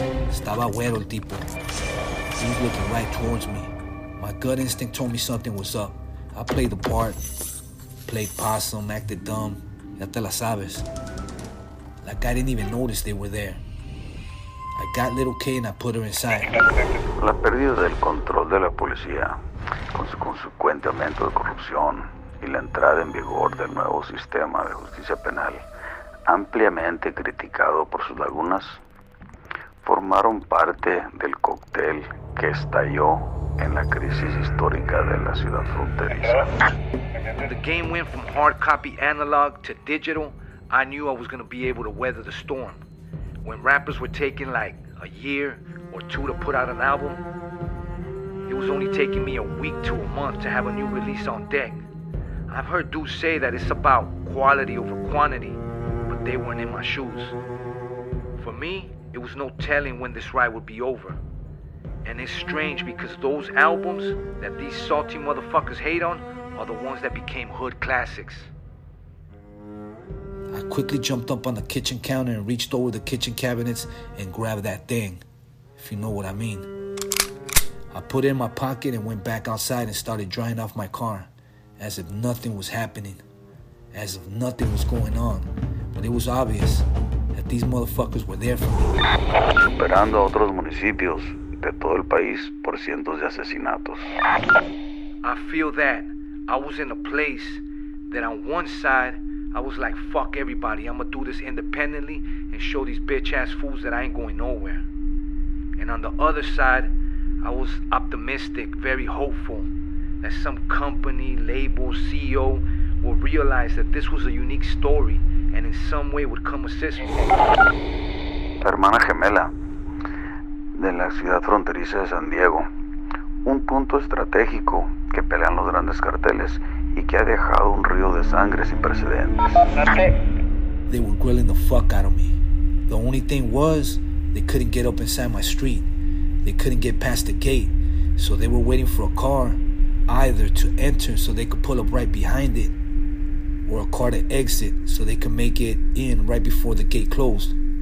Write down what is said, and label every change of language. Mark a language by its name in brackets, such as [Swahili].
[Spanish] Estaba güero el tipo. [English] He was looking right towards me. My gut instinct told me something was up. I played the part, played possum, acted dumb. [Spanish] Ya te la sabes. [English] Like I didn't even notice they were there. I got little K and I put her inside. [Spanish] La pérdida del control de la policía, con su consecuente aumento de corrupción y la entrada en vigor del nuevo sistema de justicia penal, ampliamente criticado por sus lagunas, formaron parte del cóctel que estalló en la crisis histórica de la ciudad fronteriza. [English] The game went from hard copy analog to digital. I knew I was going to be able to weather the storm. When rappers were taking like a year or 2 to put out an album, it was only taking me a week to a month to have a new release on deck. I've heard dudes say that it's about quality over quantity, but they weren't in my shoes. For me, it was no telling when this ride would be over. And it's strange because those albums that these salty motherfuckers hate on are the ones that became hood classics. I quickly jumped up on the kitchen counter and reached over the kitchen cabinets and grabbed that thing, if you know what I mean. I put it in my pocket and went back outside and started drying off my car, as if nothing was happening, as if nothing was going on. But it was obvious that these motherfuckers were there for me. [Spanish] Superando a otros municipios de todo el país por cientos de asesinatos. [English] I feel that I was in a place that on one side, I was like, fuck everybody, I'ma do this independently and show these bitch-ass fools that I ain't going nowhere. And on the other side, I was optimistic, very hopeful, that some company, label, CEO will realize that this was a unique story and in some way would come assist me. [Spanish] Hermana gemela, de la ciudad fronteriza de San Diego, un punto estratégico que pelean los grandes carteles y que ha dejado un río de sangre sin precedentes. [English] They were grilling the fuck out of me. The only thing was, they couldn't get up inside my street. They couldn't get past the gate. So they were waiting for a car, either to enter so they could pull up right behind it, or a car to exit so they could make it in right before the gate closed.